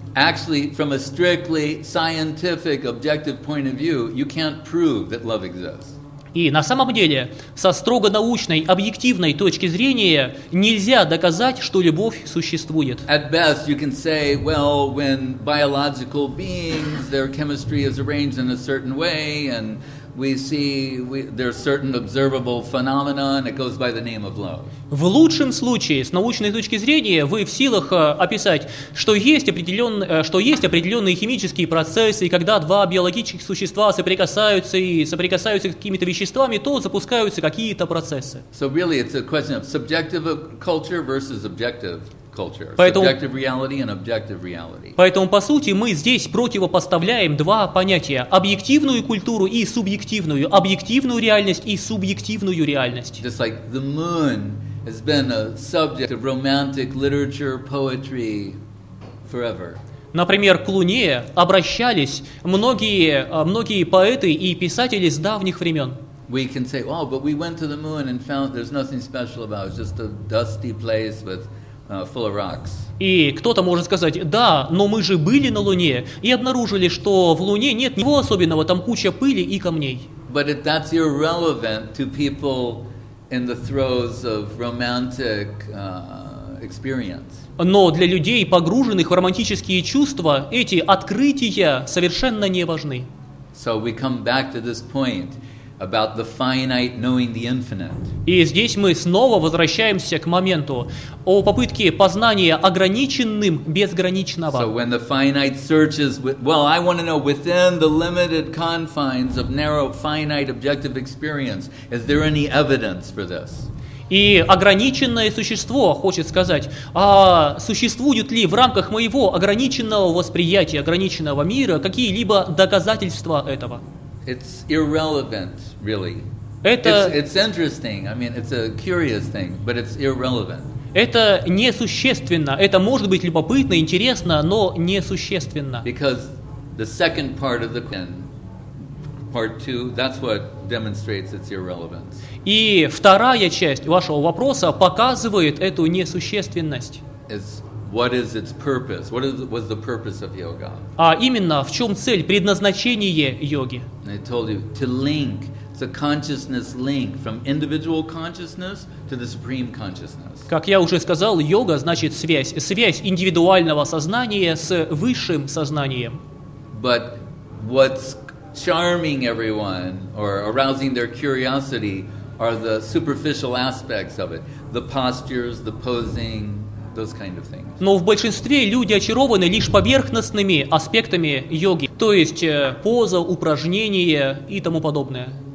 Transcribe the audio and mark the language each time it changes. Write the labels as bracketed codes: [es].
[en] Actually, from a strictly scientific objective point of view, you can't prove that love exists. [ru] И на самом деле, со строго научной, объективной точки зрения, нельзя доказать, что любовь существует. [en] At best, you can say, well, when biological beings, their chemistry is arranged in a certain way, and we see there are certain observable phenomena, and it goes by the name of love. [ru] В лучшем случае, с научной точки зрения, вы в силах описать, что есть определенные химические процессы, и когда два биологических существа соприкасаются и соприкасаются с какими-то веществами, то запускаются какие-то процессы. [en] So really it's a question of subjective culture versus objective culture. [ru] Поэтому, [en] subjective reality and objective reality. [ru] Поэтому, по сути, мы здесь противопоставляем два понятия – объективную культуру и субъективную, объективную реальность и субъективную реальность. [en] Just like the moon has been a subject of romantic literature, poetry forever. [ru] Например, к Луне обращались многие поэты и писатели с давних времен. [en] We can say, oh, but we went to the moon and found there's nothing special about it, just a dusty place with full of rocks. [ru] И кто-то может сказать, да, но мы же были на Луне и обнаружили, что в Луне нет ничего особенного, там куча пыли и камней. [en] But that's irrelevant to people in the throes of romantic experience. [ru] Но для людей, погруженных в романтические чувства, эти открытия совершенно не важны. [en] So we come back to this point about the finite knowing the infinite. [ru] И здесь мы снова возвращаемся к моменту о попытке познания ограниченным безграничного. [en] So when the finite searches I want to know within the limited confines of narrow finite objective experience, is there any evidence for this? [ru] И ограниченное существо хочет сказать, а существуют ли в рамках моего ограниченного восприятия, ограниченного мира какие-либо доказательства этого? [en] It's irrelevant, really. It's interesting. I mean, it's a curious thing, but it's irrelevant. [ru] Это несущественно. Это может быть любопытно, интересно, но несущественно. [en] Because the second part of the question, part two, that's what demonstrates its irrelevance. [ru] И вторая часть вашего вопроса показывает эту несущественность. [en] What is its purpose? What was the purpose of yoga? [ru] А именно, в чем цель, предназначение йоги? [en] I told you, to link, it's a consciousness link from individual consciousness to the supreme consciousness. [ru] Как я уже сказал, йога значит связь индивидуального сознания с высшим сознанием. [en] But what's charming everyone or arousing their curiosity are the superficial aspects of it, the postures, the posing, those kind of things. [ru] Но в большинстве люди очарованы лишь поверхностными аспектами йоги, то есть поза, упражнения и тому подобное.